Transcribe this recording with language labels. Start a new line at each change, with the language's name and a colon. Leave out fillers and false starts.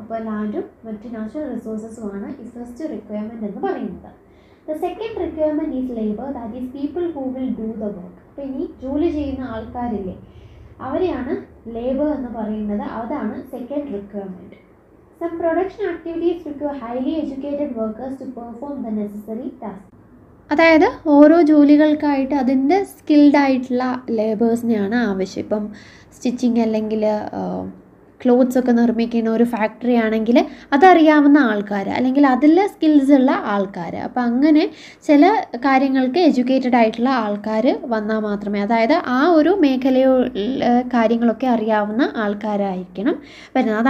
Malayalam: അപ്പോൾ ലാൻഡും മറ്റ് നാച്ചുറൽ റിസോഴ്സസുമാണ് ഈ ഫസ്റ്റ് റിക്വയർമെൻ്റ് എന്ന് പറയുന്നത്.
English: The second requirement is labour, that is people who will do the work.
Malayalam: അപ്പോൾ ഇനി ജോലി ചെയ്യുന്ന ആൾക്കാരില്ലേ, അവരെയാണ് ലേബർ എന്ന് പറയുന്നത്. അതാണ് second requirement.
English: Some production activities require highly educated workers to perform the necessary tasks.
Malayalam: അതായത് ഓരോ ജോലികൾക്കായിട്ട് അതിൻ്റെ സ്കിൽഡ് ആയിട്ടുള്ള ലേബേഴ്സിനെയാണ് ആവശ്യം. ഇപ്പം സ്റ്റിച്ചിങ് അല്ലെങ്കിൽ ക്ലോത്ത്സ് ഒക്കെ നിർമ്മിക്കുന്ന ഒരു ഫാക്ടറി ആണെങ്കിൽ അതറിയാവുന്ന ആൾക്കാർ അല്ലെങ്കിൽ അതിലെ സ്കിൽസ് ഉള്ള ആൾക്കാർ, അപ്പോൾ അങ്ങനെ ചില കാര്യങ്ങൾക്ക് എഡ്യൂക്കേറ്റഡ് ആയിട്ടുള്ള ആൾക്കാർ വന്നാൽ മാത്രമേ, അതായത് ആ ഒരു മേഖലയോ കാര്യങ്ങളൊക്കെ അറിയാവുന്ന ആൾക്കാരായിരിക്കണം വരുന്നത്.